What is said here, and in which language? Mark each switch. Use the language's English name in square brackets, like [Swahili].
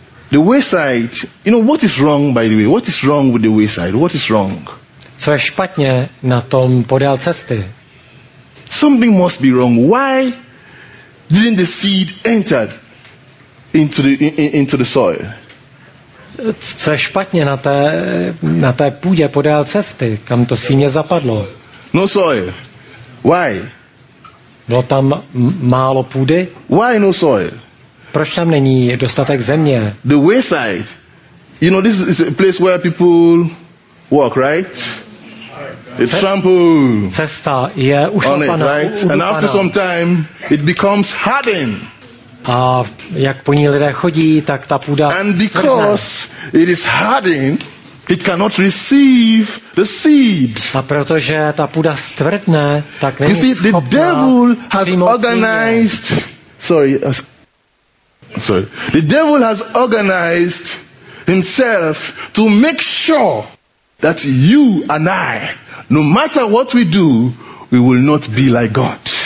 [English] The wayside, you know, what is wrong, by the way? What is wrong with the wayside? What is wrong? [Czech] Co je špatně na tom podél cesty? [English] Something must be wrong. Why didn't the seed enter? into the soil. [Czech] Co je špatně na té půdě podél cesty, kam to síně zapadlo? [English] No soil. Why? [Czech] Bylo tam málo půdy? [English] Why no soil? [Czech] Proč tam není dostatek země? [English] The wayside. You know, this is a place where people walk, right? It's trampled. [Czech] Cesta je ušlapaná, [English] right? And after some time, it becomes hardened. [Czech] A jak po ní lidé chodí, tak ta půda. [English] And because it is hardened, it cannot receive the seed. [Czech] A protože ta půda stvrdne, tak není [English] schopná. You see, the devil has organized. Sorry. The devil has organized himself to make sure that you and I, no matter what we do, we will not be like God.